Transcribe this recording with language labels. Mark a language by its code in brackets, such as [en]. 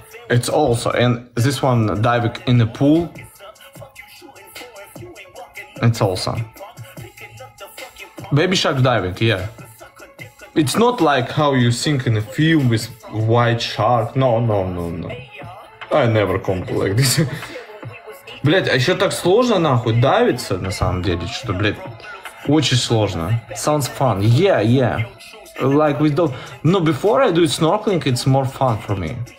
[en] It's also, and this one diving in the pool, it's also baby shark diving, yeah. It's not like how you think in a film with white shark, no, I never come to like this. [ru] Блять, а еще так сложно нахуй давиться на самом деле, что, блять. Очень сложно. [en] Sounds fun. Yeah. Like with dog. No, before I do snorkeling, it's more fun for me.